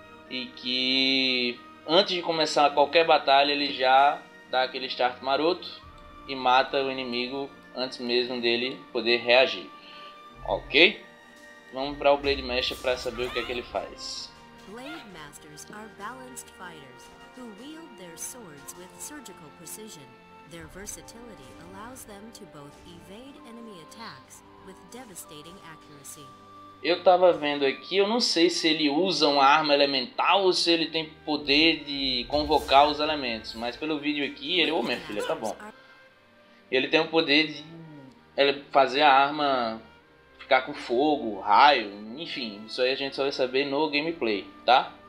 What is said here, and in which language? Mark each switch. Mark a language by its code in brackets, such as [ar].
[pt] E que antes de começar qualquer batalha ele já dá aquele start maroto. E mata o inimigo antes mesmo dele poder reagir. Ok? Vamos para o Blade Master para saber o que é que ele faz. [en] Blade Masters are balanced fighters who wield their swords with surgical precision. Their versatility allows them to both evade enemy attacks with devastating accuracy. [pt] Eu tava vendo aqui, eu não sei se ele usa uma arma elemental ou se ele tem poder de convocar os elementos, mas pelo vídeo aqui, ele... Ô, minha filha, tá bom. Ele tem o poder de fazer a arma ficar com fogo, raio, enfim, isso aí a gente só vai saber no gameplay, tá?